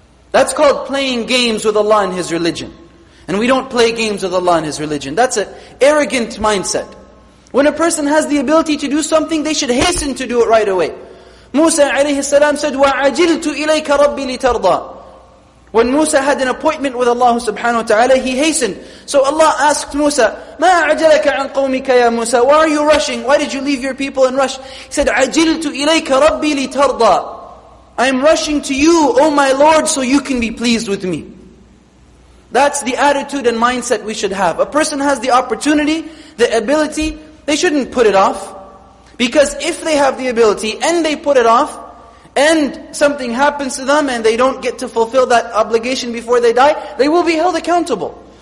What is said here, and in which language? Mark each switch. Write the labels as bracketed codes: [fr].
[en] That's called playing games with Allah and His religion. And we don't play games with Allah and His religion. That's an arrogant mindset. When a person has the ability to do something, they should hasten to do it right away. Musa alayhi salam said, [ar] وَعَجِلْتُ إِلَيْكَ رَبِّي لِتَرْضَى. [en] When Musa had an appointment with Allah subhanahu wa ta'ala, he hastened. So Allah asked Musa, [ar] مَا عَجَلَكَ عَنْ قَوْمِكَ يَا مُوسَى. [en] Why are you rushing? Why did you leave your people and rush? He said, [ar] عَجِلْتُ إِلَيْكَ رَبِّي لِتَرْضَى. [en] I'm rushing to you, O my Lord, so you can be pleased with me. That's the attitude and mindset we should have. A person has the opportunity, the ability, they shouldn't put it off. Because if they have the ability and they put it off, and something happens to them and they don't get to fulfill that obligation before they die, they will be held accountable.